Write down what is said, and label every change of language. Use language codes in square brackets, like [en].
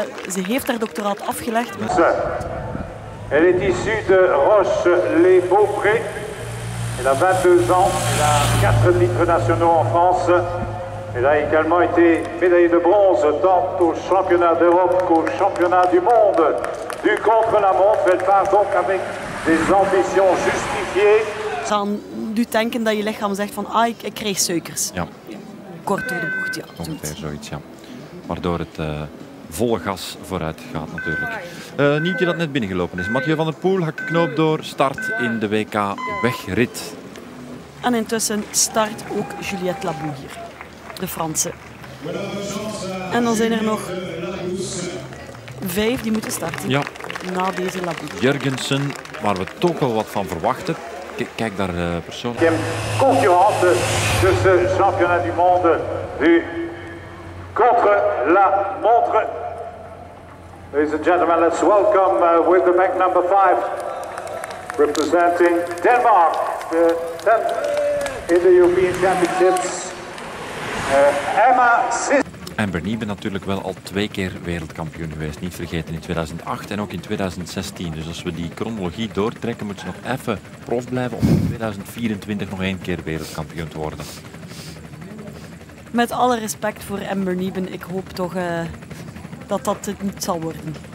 [nl] Ze heeft haar doctoraat afgelegd. [fr] Elle est issue de Roche-les-Beaupré. Elle a 22 ans. Elle a 4 titres nationaux en France. Elle a également été médaillée de bronze tant au championnat d'Europe qu'au championnat du monde du contre-la-montre. Elle part donc avec des ambitions justifiées. [nl] Ça doet denken dat je lichaam zegt van ah, ik krijg suikers. Ja. Kort door de bocht, ja. Ongeveer zoiets, ja. Waardoor het volle gas vooruit gaat natuurlijk. Nieuwtje dat net binnengelopen is. Mathieu van der Poel, hak knoop door, start in de WK wegrit. En intussen start ook Juliette Labou hier. De Fransen. En dan zijn er nog 5 die moeten starten. Ja. Na deze Labou. Jurgensen, waar we toch wel wat van verwachten. Kijk daar persoonlijk. Een concurrente tussen [fr] championnat du monde du contre la montre. [en] Ladies and gentlemen, let's welcome with the bank number 5 representing Denmark, the 10th in the European Championships. Emma Sisson. [nl] En Bernie ben natuurlijk wel al twee keer wereldkampioen geweest. Niet vergeten in 2008 en ook in 2016. Dus als we die chronologie doortrekken, moet ze nog even prof blijven om in 2024 nog één keer wereldkampioen te worden. Met alle respect voor Amber Nieben, ik hoop toch dat het niet zal worden.